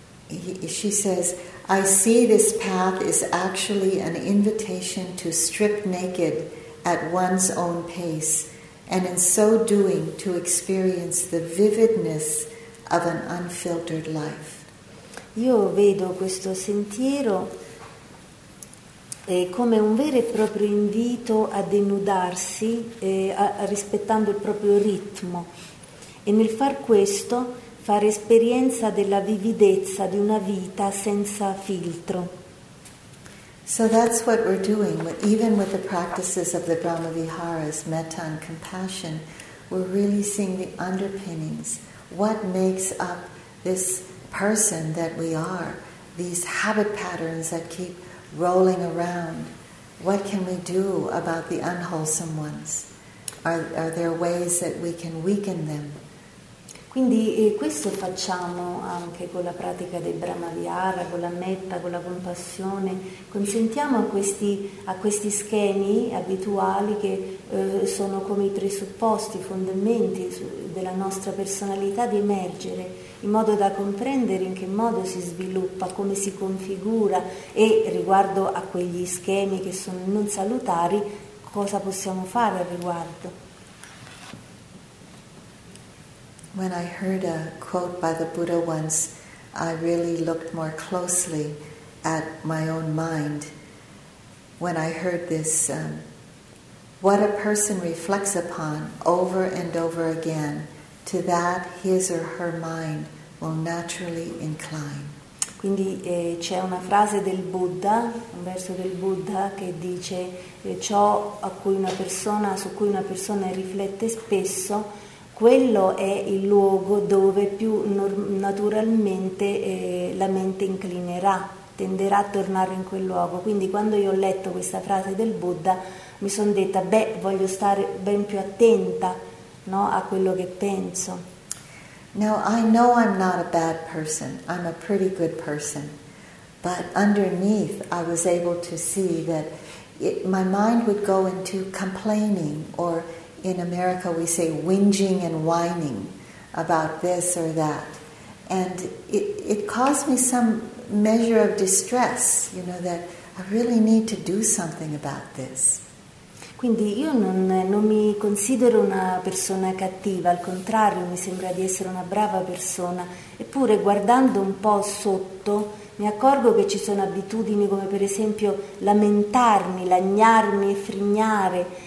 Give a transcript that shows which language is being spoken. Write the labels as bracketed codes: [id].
[en] She says, I see this path is actually an invitation to strip naked at one's own pace, and in so doing to experience the vividness of an unfiltered life. [it] Io vedo questo sentiero come un vero e proprio invito a denudarsi rispettando il proprio ritmo, e nel far questo fare esperienza della vividezza di una vita senza filtro. [en] So that's what we're doing, even with the practices of the Brahma Viharas, metta and compassion, we're really seeing the underpinnings, what makes up this person that we are, these habit patterns that keep rolling around. What can we do about the unwholesome ones? Are there ways that we can weaken them? [it] Quindi questo facciamo anche con la pratica del Brahmavihara, con la metta, con la compassione. Consentiamo a questi schemi abituali che sono come i presupposti, i fondamenti della nostra personalità, di emergere, in modo da comprendere in che modo si sviluppa, come si configura, e riguardo a quegli schemi che sono non salutari, cosa possiamo fare al riguardo. [en] When I heard a quote by the Buddha once, I really looked more closely at my own mind. When I heard this, what a person reflects upon over and over again, to that his or her mind will naturally incline. [it] Quindi c'è una frase del Buddha, un verso del Buddha che dice ciò a cui una persona, su cui una persona riflette spesso, quello è il luogo dove più naturalmente la mente inclinerà, tenderà a tornare in quel luogo. Quindi quando io ho letto questa frase del Buddha mi sono detta, beh, voglio stare ben più attenta, no, a quello che penso. [en] Now I know I'm not a bad person, I'm a pretty good person, but underneath I was able to see that my mind would go into complaining, or in America we say whinging and whining about this or that, and it caused me some measure of distress, you know, that I really need to do something about this. [it] Quindi io non mi considero una persona cattiva, al contrario, mi sembra di essere una brava persona, eppure guardando un po' sotto mi accorgo che ci sono abitudini come per esempio lamentarmi, lagnarmi e frignare.